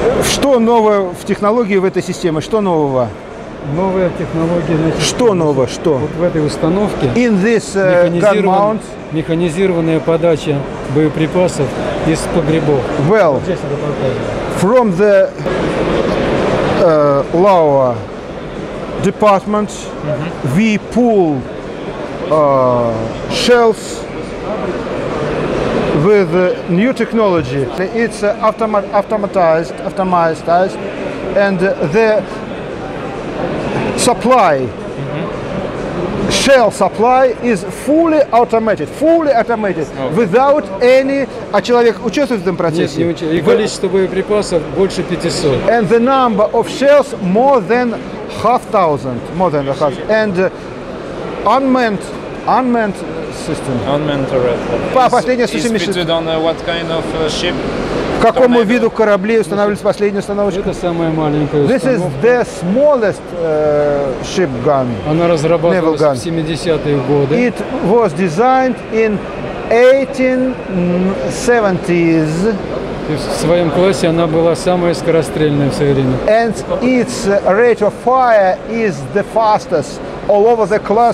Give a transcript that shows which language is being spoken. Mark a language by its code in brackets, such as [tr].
[ru] Что новое в технологии в этой системе? Что нового? Новая технология. Значит, что нового? Что? Вот в этой установке. [en] In this gun mount. [ru] Механизированная подача боеприпасов из погребов. [en] Well, from the lower department, we pull shells with new technology. It's automatized, and the supply, shell supply is fully automated, okay. Without any... [ru] А человек участвует в этом процессе? Нет, не участвует. И количество боеприпасов больше 500. [en] And the number of shells more than half thousand. And unmanned system? Unmanned turret. [ru] Последняя 180. [en] Is fitted on what kind of ship? [ru] Какому виду кораблей устанавливались последние установочки? Это самая маленькая. [en] This is the smallest ship gun. [ru] Она разрабатывалась в 70-е годы. [en] It was designed in 1870s. [ru] В своем классе она была самая скорострельная в свое время. [en] And its rate of fire is the fastest all over the class.